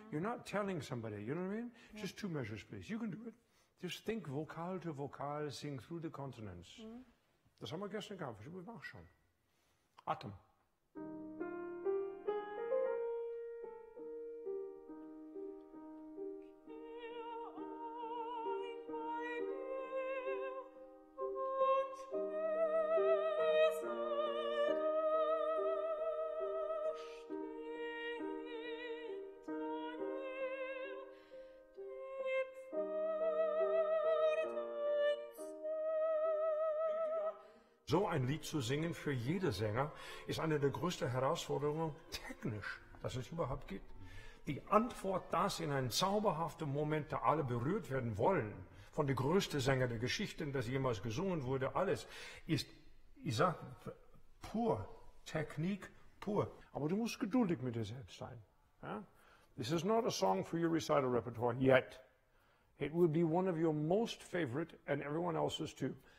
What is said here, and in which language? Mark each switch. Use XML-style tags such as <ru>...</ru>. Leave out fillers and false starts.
<en>You're not telling somebody, you know what I mean? Yeah. Just two measures, please. You can do it. Just think vocal to vocal, sing through the consonants. Mm.</en> <de>Das haben wir gestern gehabt, wir machen schon. Atem. So ein Lied zu singen für jeden Sänger ist eine der größten Herausforderungen technisch, dass es überhaupt gibt. Die Antwort, dass in einem zauberhaften Moment alle berührt werden wollen, von der größten Sänger der Geschichten, das jemals gesungen wurde, alles, ist, ich sag, pur, Technik pur. Aber du musst geduldig mit dir selbst sein. Ja?</de> <en>This is not a song for your recital repertoire yet. It will be one of your most favorite and everyone else's too.</en>